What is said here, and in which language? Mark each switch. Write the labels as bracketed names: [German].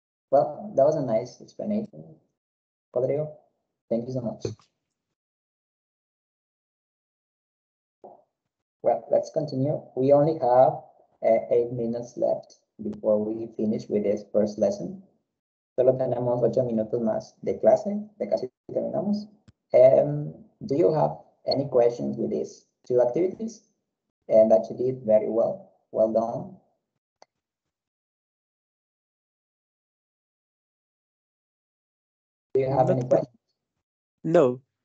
[English] Well, that was a nice explanation, Rodrigo. Thank you so much. Well, let's continue. We only have 8 minutes left before we finish with this first lesson. [Spanish] Solo tenemos 8 minutos más de clase, de casi terminamos. [English] Do you have any questions with these two activities? And that you did very well. Well done. Do you have any questions? No.